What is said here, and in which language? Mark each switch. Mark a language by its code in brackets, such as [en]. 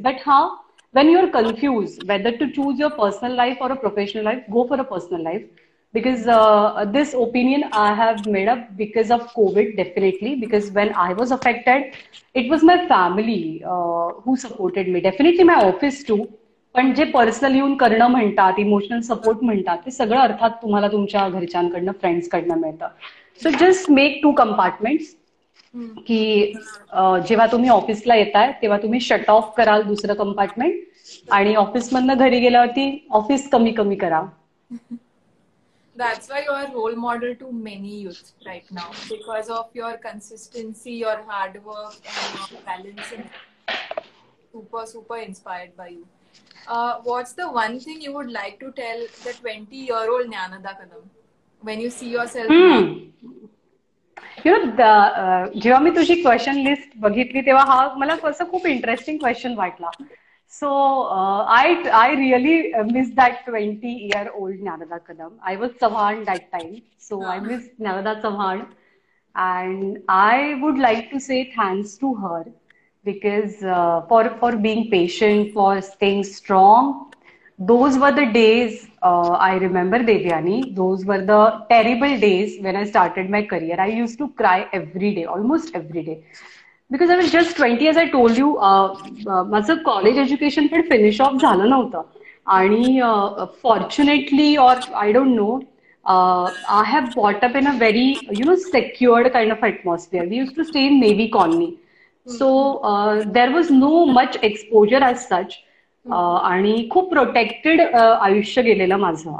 [en] But हा, when you are confuse whether to choose your personal life और a professional life, go for a personal life because this opinion I have made up because of Covid, definitely because when I was affected it was my family who supported me, definitely my office too. [mr] पण जे personal येऊन करणं म्हणतात, emotional support म्हणतात, ते सगळं अर्थात तुम्हाला तुमच्या घरच्यांकडनं फ्रेंड्सकडनं मिळतं. [en] so just make two compartments [mr] की जेव्हा तुम्ही ऑफिसला येताय तेव्हा तुम्ही शट ऑफ कराल दुसरं कंपार्टमेंट, आणि ऑफिसमधनं घरी गेल्यावरती ऑफिस कमी कमी करा. [en] That's why you are role model to many youth right now because of your consistency, your hard work, and your balance. Super, super inspired by you. What's the one thing you would like to tell the 20-year-old Jnanada Kadam when you see yourself? [mr] You know जेव्हा मी तुझी question list बघितली तेव्हा हा मला असं खूप interesting question वाटला. [en] So I I really miss that 20-year-old Gyanada Kadam. I was Chavan that time, so I miss Gyanada Chavan and I would like to say thanks to her because for being patient, for staying strong. Those were the days I remember Devyani, those were the terrible days when I started my career. I use to cry every day, almost every day because I was just 20. As I told you, [mr] माझं college education पण finish off झालं नव्हतं आणि [en] Fortunately or I don't know I have bought up in a very you know secured kind of atmosphere. We use to stay in navy colony, so there was no much exposure as such [mr] आणि खूप protected आयुष्य गेलेलं माझं.